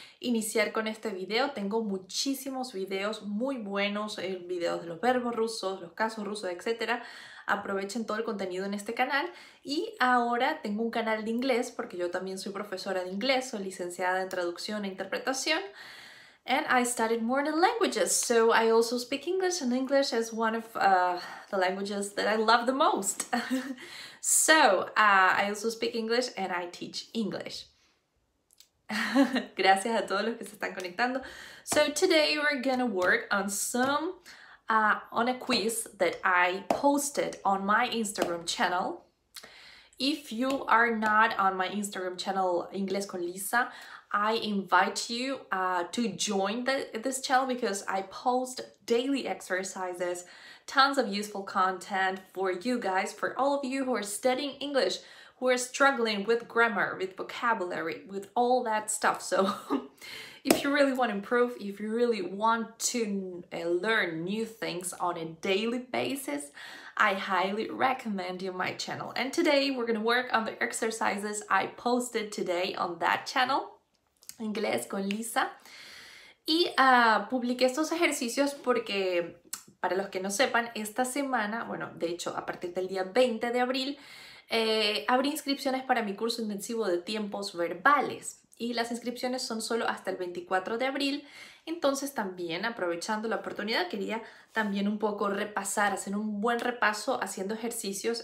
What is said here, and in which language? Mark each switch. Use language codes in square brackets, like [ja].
[es] Iniciar con este video. Tengo muchísimos videos muy buenos, videos de los verbos rusos, los casos rusos, etcétera. Aprovechen todo el contenido en este canal. Y ahora tengo un canal de inglés, porque yo también soy profesora de inglés, soy licenciada en traducción e interpretación. [en] And I studied modern languages, so I also speak English, and English is one of the languages that I love the most. So, I also speak English and I teach English. [es] Gracias a todos los que se están conectando. [en] So, today we're gonna work on some. On a quiz that I posted on my Instagram channel. If you are not on my Instagram channel, Inglés con Lisa, I invite you to join this channel because I post daily exercises, tons of useful content for you guys, for all of you who are studying English, who are struggling with grammar, with vocabulary, with all that stuff. So, if you really want to improve, if you really want to learn new things on a daily basis, I highly recommend you my channel. And today we're going to work on the exercises I posted today on that channel, Inglés con Lisa. [es] Y publiqué estos ejercicios porque, para los que no sepan, esta semana, bueno, de hecho, a partir del día 20 de abril, abrí inscripciones para mi curso intensivo de tiempos verbales. Y las inscripciones son solo hasta el 24 de abril. Entonces también, aprovechando la oportunidad, quería también un poco repasar, hacer un buen repaso haciendo ejercicios.